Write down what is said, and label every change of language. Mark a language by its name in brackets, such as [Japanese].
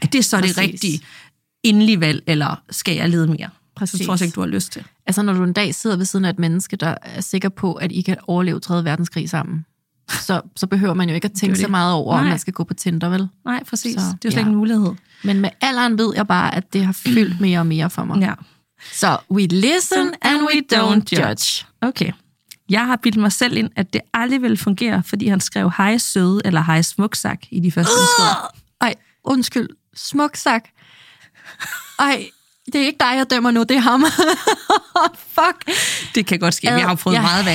[Danish] er det så det rigtige endelige valg, eller skal jeg lede mere? Præcis. Så tror jeg ikke, du har lyst til. Altså, når du en dag sidder ved siden af et menneske, der er sikker på, at I kan overleve 3. verdenskrig sammen, Så behøver man jo ikke at tænke så meget over, om man skal gå på Tinder, vel? Nej, præcis. Så, det er jo slet ikke en mulighed. Men med alderen ved jeg bare, at det har fyldt mere og mere for mig. Ja. [English] Så we listen and we don't judge. [Danish] Okay. Jeg har bildt mig selv ind, at det aldrig vil fungere, fordi han skrev hej søde eller hej smuksak i de første beskeder. Ej, undskyld. Smuksak. Ej. Det er ikke dig, jeg dømmer nu, det er ham. Fuck. Det kan godt ske. Vi har prøvet meget værre.